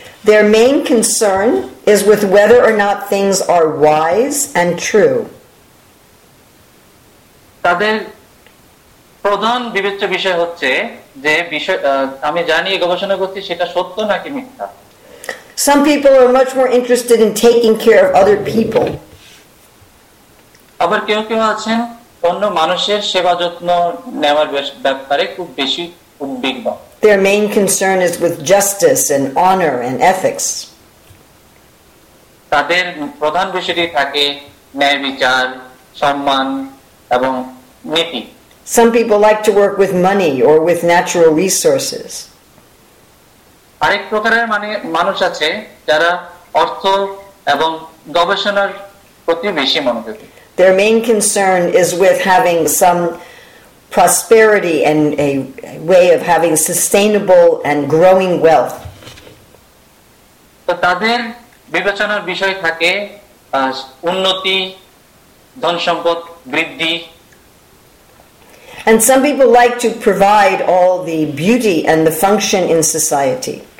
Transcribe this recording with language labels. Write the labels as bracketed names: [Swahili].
[English] Their main concern is with whether or not things are wise and true. [Bangla] তাদের প্রধান বিবেচ্য বিষয় হচ্ছে যে বিষয় আমি জানি গবেষণা করছি সেটা সত্য নাকি মিথ্যা। [English] Some people are much more interested in taking care of other people. [Bangla] আবার কেউ কেউ আছেন অন্য মানুষের সেবা যত্ন নেওয়ার ব্যাপারে খুব বেশি উদ্বিগ্ন। [English] Their main concern is with justice and honor and ethics. [Bangla] তাদের প্রধান বিষয়টি থাকে ন্যায় বিচার, সম্মান এবং নীতি। [English] Some people like to work with money or with natural resources. [Bangla] অনেক প্রকারের মানুষ আছে যারা অর্থ এবং গবেষণার প্রতি বেশি মনোযোগী। [English] Their main concern is with having some prosperity and a way of having sustainable and growing wealth. [Bangla] তাদের বিবেচনার বিষয় থাকে উন্নতি, ধন সম্পদ বৃদ্ধি। [English] And some people like to provide all the beauty and the function in society.